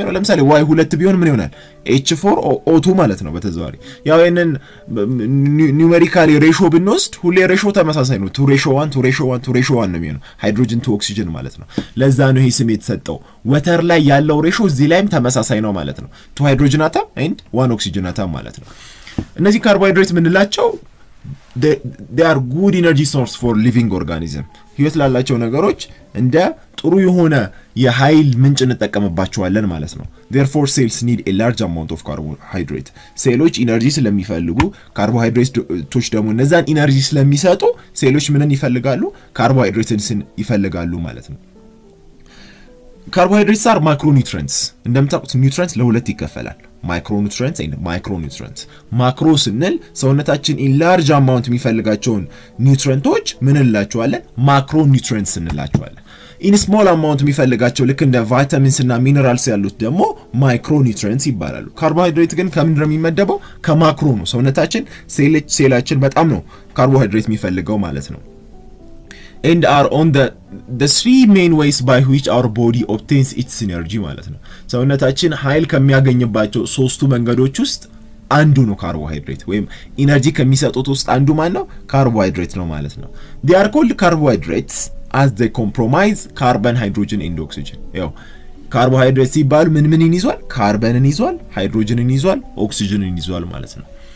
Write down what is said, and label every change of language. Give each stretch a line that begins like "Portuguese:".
Amharic: ያው ለምሳሌ ዋይ 2 ቢሆን ምን ይሆናል? H4O2 ማለት ነው በተዘዋዋሪ። ያው ይሄንን ኒውሜሪካሊ ሬሾ ብንወስድ ሁሌ ሬሾ ተመሳሳይ ነው። 2 ratio 1 2 ratio 1 2 ratio 1 ነው የሚሆነው ሃይድሮጅን ቱ ኦክሲጅን ማለት ነው። ለዛ ነው ይሄ ስም የተሰጠው። ወተር ላይ ያለው ሬሾ እዚህ ላይም ተመሳሳይ ነው ማለት ነው። 2 ሃይድሮጅን አተም and 1 ኦክሲጅን አተም ማለት ነው። እነዚህ ካርቦሃይድሬት ምንላቸው?
English: they are good energy source for living organism.
Amharic: ህይወት ላላቸው ነገሮች እንደ ጥሩ የሆነ የኃይል ምንጭ እንጠቀምባቸዋለን ማለት ነው.
English: Therefore cells need a large amount of carbohydrate.
Amharic: ሴሎች ኢነርጂ ስለሚፈልጉ ካርቦሃይድሬት ቶች ደግሞ እነዛን ኢነርጂ ስለሚሰጡ ሴሎች ምንን ይፈልጋሉ? ካርቦሃይድሬትስን ይፈልጋሉ ማለት ነው.
English: Carbohydrates are macronutrients.
Amharic: እንደምታውቁት nutrients ለሁለት ይከፈላል.
English: Micronutrients and macronutrients.
Amharic: Macros ስንል ሰውነታችን
English: in large amount
Amharic: የሚፈልጋቸውን nutrientsዎች ምን እንላቸዋለን? Macronutrients እንላቸዋለን.
English: In small amount
Amharic: የሚፈልጋቸው ልክ እንደ vitamins እና minerals ያሉት ደግሞ micronutrients ይባላሉ. Carbohydrate ግን ከምን የሚመደበው? ከማክሮ ነው. ሰውነታችን ሴላችን በጣም ነው carbohydrate የሚፈልገው ማለት ነው.
English: And are on the three main ways by which our body obtains its energy
Amharic: ማለት ነው. ሰውነታችን ኃይል ከሚያገኝባቸው ሶስቱ መንገዶች ውስጥ አንዱ ነው ካርቦሃይድሬት ወይም ኢነርጂ ከሚሰጡት ውስጥ አንዱ ማለት ነው ካርቦሃይድሬት ነው ማለት ነው.
English: They are called carbohydrates as they comprise carbon, hydrogen and oxygen.
Amharic: ያው ካርቦሃይድሬት ሲባል ምን ምን ይዟል? ካርበንን ይዟል, ሃይድሮጅንን ይዟል, ኦክሲጅንን ይዟል ማለት ነው.